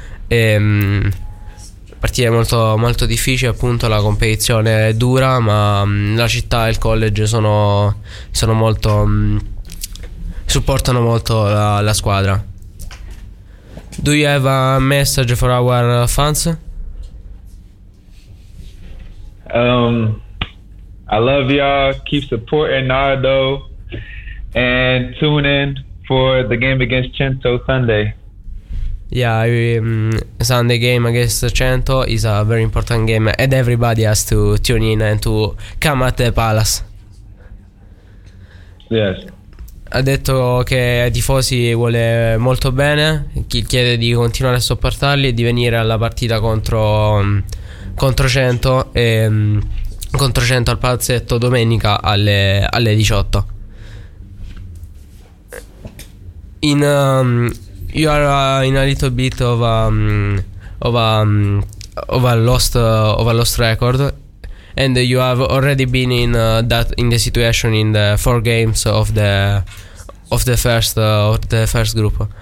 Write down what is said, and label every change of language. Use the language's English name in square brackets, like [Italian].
[Italian] Partire molto molto difficile, appunto la competizione è dura, ma la città e il college sono molto supportano molto la squadra. [English] Do you have a message for our fans? I love y'all, keep supporting Nardo and tune in for the game against Cento Sunday. Yeah, Sunday game against Cento is a very important game, and everybody has to tune in and to come at the Palace. Yes. [Italian] Ha detto che i tifosi vuole molto bene, chi chiede di continuare a sopportarli e di venire alla partita contro Cento al palazzetto domenica alle 18. [English] You are in a little bit of a lost record, and you have already been in the situation in the four games of the first group.